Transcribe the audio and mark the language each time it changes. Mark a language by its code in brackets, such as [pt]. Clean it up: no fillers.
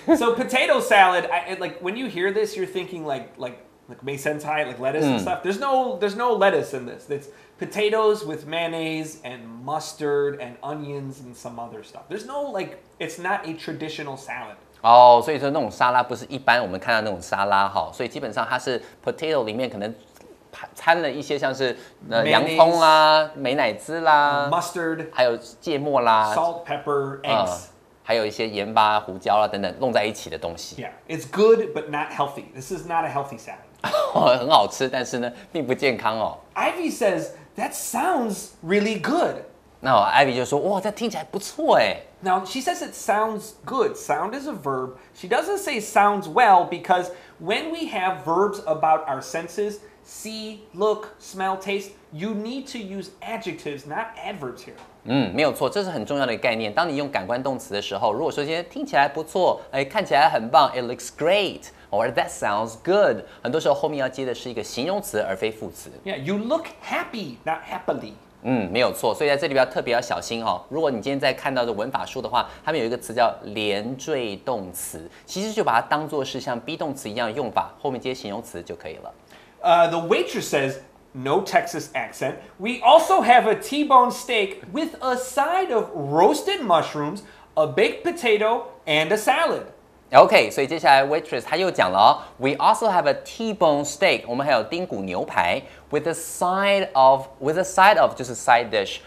[en] So potato salad, I, like when you hear this, you're thinking like like maisentai, like lettuce and stuff. There's no lettuce in this. It's potatoes with mayonnaise and mustard and onions and some other stuff. There's no, like, it's not a traditional salad. [zh] Oh, 所以说那种沙拉不是一般我们看到那种沙拉哈，所以基本上它是 potato 里面可能掺了一些像是洋葱啦、 [en] mayonnaise, [zh] 美乃滋啦、 [en] mustard, [zh] 还有芥末啦、 [en] salt, pepper, eggs. [zh] 还有一些盐巴、胡椒啊等等弄在一起的东西。 [en] Yeah, it's good but not healthy. This is not a healthy salad. [zh] 很好吃，但是呢，并不健康哦。 [en] Ivy says that sounds really good. [zh] 那、哦、Ivy 就说，哇，这听起来不错哎。 [en] Now she says it sounds good. Sound is a verb. She doesn't say sounds well because when we have verbs about our senses, see, look, smell, taste, you need to use adjectives, not adverbs here. [zh] 没有错，这是很重要的概念。当你用感官动词的时候，如果说今天听起来不错，哎，看起来很棒 ， [en] it looks great， or that sounds good， [zh] 很多时候后面要接的是一个形容词而非副词。 [en] Yeah, you look happy, not happily. [zh] 没有错，所以在这里要特别要小心哦。如果你今天在看到的文法书的话，他们有一个词叫连缀动词，其实就把它当作是像 be 动词一样的用法，后面接形容词就可以了。 [en] The waitress says. No Texas accent. We also have a T-bone steak with a side of roasted mushrooms, a baked potato, and a salad. Okay, so [zh] 接下来 [en] waitress [zh] 她又讲了、哦、 [en] We also have a T-bone steak. [zh] 我们还有丁骨牛排 [en] with a side of [zh] 就是 side dish.